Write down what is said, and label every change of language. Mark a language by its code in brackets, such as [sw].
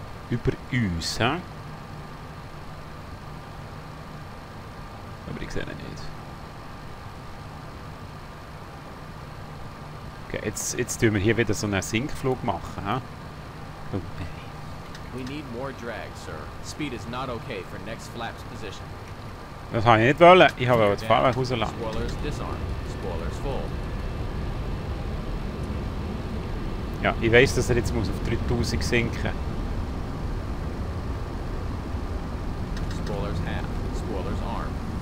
[de] Über uns. He? Aber ich sehe ihn nicht. Okay, jetzt tun wir hier wieder so einen Sinkflug machen. [en] Okay. We need more drag, sir. Speed is not okay for next flaps position. [de] Das habe ich nicht wollen. Ich habe aber das Fahrwerk rausgelassen. [en] Spoilers disarmed. Spoilers full. [de] Ja, ich weiß, dass er jetzt auf 3000 sinken muss. [en] Spoilers half, spoilers arm.